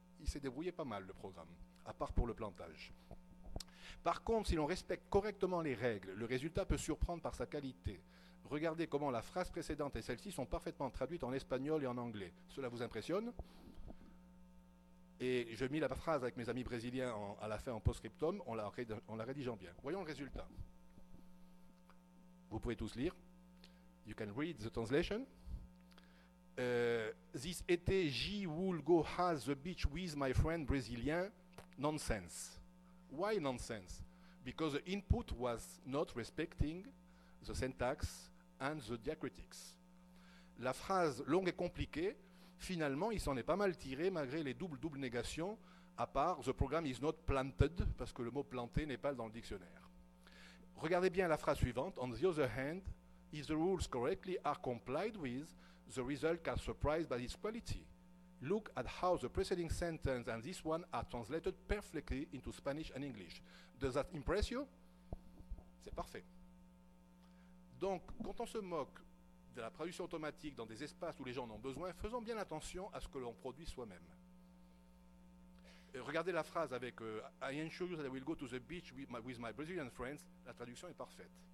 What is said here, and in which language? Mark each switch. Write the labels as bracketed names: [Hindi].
[French] Il s'est débrouillé pas mal, le programme, à part pour le plantage. Par contre, si l'on respecte correctement les règles, le résultat peut surprendre par sa qualité. Regardez comment la phrase précédente et celle-ci sont parfaitement traduites en espagnol et en anglais. Cela vous impressionne? Et je mis la phrase avec mes amis brésiliens à la fin en post-scriptum, en la rédigeant bien. Voyons le résultat. Vous pouvez tous lire. [English] You can read the translation. This été, J will go has the beach with my friend Brazilian. Nonsense. Why nonsense? Because the input was not respecting the syntax and the diacritics. [French] La phrase longue et compliquée, finalement, il s'en est pas mal tiré malgré les doubles négations, à part [English] the program is not planted, [French] parce que le mot planté n'est pas dans le dictionnaire. Regardez bien la phrase suivante. [English] On the other hand, if the rules correctly are complied with, the result can surprise by its quality. Look at how the preceding sentence and this one are translated perfectly into Spanish and English. Does that impress you? [French] C'est parfait. Donc, quand on se moque de la traduction automatique dans des espaces où les gens en ont besoin, faisons bien attention à ce que l'on produit soi-même. Regardez la phrase avec [English] I assure you that I will go to the beach with my Brazilian friends. [French] La traduction est parfaite.